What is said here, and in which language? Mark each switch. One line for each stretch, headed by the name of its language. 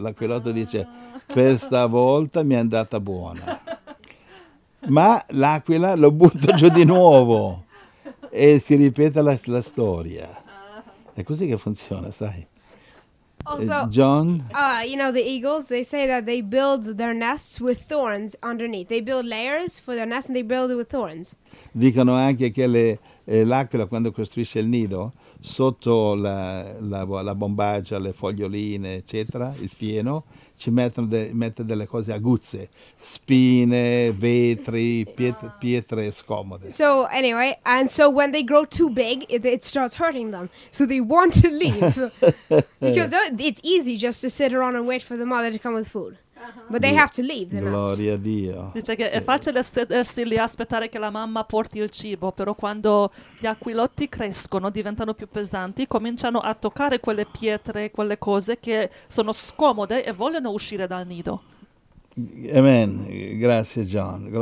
Italian: L'aquilotto dice: per stavolta mi è andata buona. Ma l'aquila lo butta giù di nuovo e si ripete la storia. È così che funziona, sai.
English: Also, John? the eagles, they say that they build their nests with thorns underneath. They build layers for their nests and they build it with thorns.
Italian: Dicono anche che l'aquila, quando costruisce il nido, sotto la bombaggia, le foglioline, eccetera, il fieno, mette delle cose aguzze, spine, vetri, pietre scomode.
English: So anyway, and so when they grow too big, it starts hurting them. So they want to leave because it's easy just to sit around and wait for the mother to come with food. But they have to leave the nest.
Italian: Gloria a Dio. Dice che è Sì. facile sedersi lì e aspettare che la mamma porti il cibo, però quando gli aquilotti crescono, diventano più pesanti, cominciano a toccare quelle pietre, quelle cose che sono scomode e vogliono uscire dal nido. Amen, grazie John.